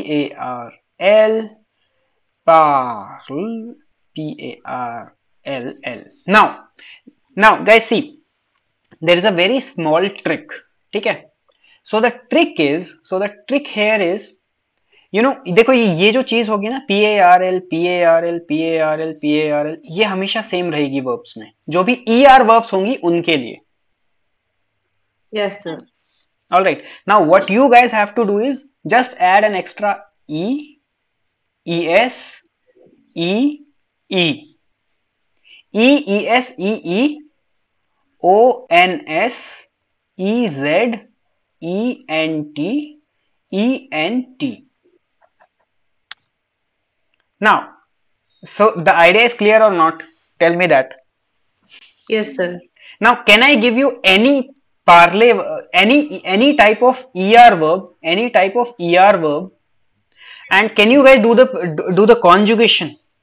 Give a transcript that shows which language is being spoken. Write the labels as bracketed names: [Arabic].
[English] P-A-R-L. Parl. PARLL. Now, guys, see, there is a very small trick. [Hindi] ठीक है? [English] So the trick here is, you know, [Hindi] देखो ये जो चीज होगी ना PARL, PARL, PARL, PARL, ये हमेशा सेम रहेगी वर्ब्स में जो भी ER वर्ब्स होंगी उनके लिए [English] Yes sir all right now what you guys have to do is just add an extra E E S E E E E S E E O N S E Z E N T E N T. Now, so the idea is clear or not? Tell me that. Yes sir Now, can I give you any parle, any type of ER verb, any type of ER verb, and can you guys do the conjugation?